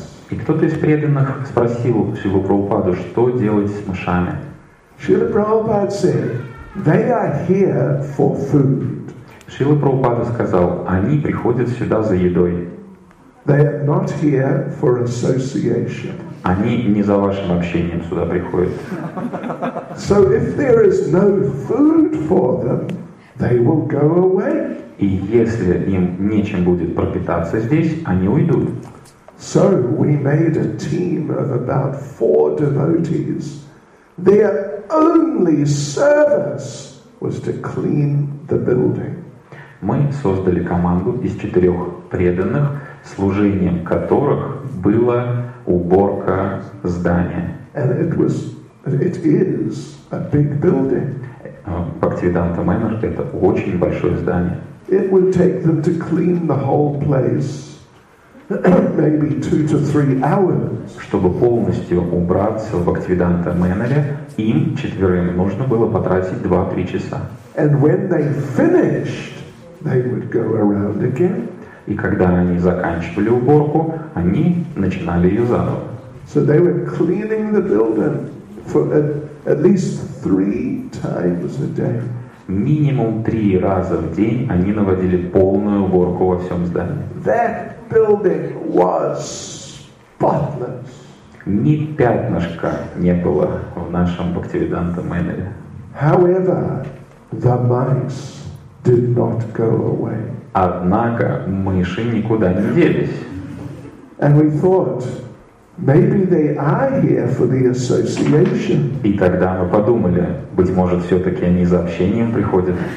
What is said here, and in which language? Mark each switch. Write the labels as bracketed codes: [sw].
[ru] И кто-то из преданных спросил Шрилу Прабхупаду, что делать с мышами. [en] Шрила Прабхупада said, they are here for food. [ru] Шрила Прабхупада сказал, они приходят сюда за едой. [en] They are not here for association. [ru] Они не за вашим общением сюда приходят. [en] So if there is no food for them, they will go away. [ru] И если им нечем будет пропитаться здесь, они уйдут. [en] So we made a team of about 4 devotees. Their only service was to clean the building. [ru] Мы создали команду из 4 преданных, служением которых было уборка здания. [en] And it is a big building. [ru] Бхактивиданта Майнор — это очень большое здание. [en] It would take them to clean the whole place maybe 2 to 3 hours. [ru] Чтобы полностью убраться в Бхактивиданта Майноре, им четверым нужно было потратить 2-3 часа. [en] And when they finished, they would go around again. [ru] И когда они заканчивали уборку, они начинали ее заново. [en] So they were cleaning the building for at least 3 times a day. [ru] Минимум 3 раза в день они наводили полную уборку во всем здании. [en] That building was spotless. [ru] Ни пятнышка не было в нашем Бхактивиданта Майноре. [en] However, the mice did not go away. [ru] Однако мыши никуда не делись. [en] And we thought, maybe they are here for the association. [ru] И тогда мы подумали, быть может, все-таки они за общением приходят.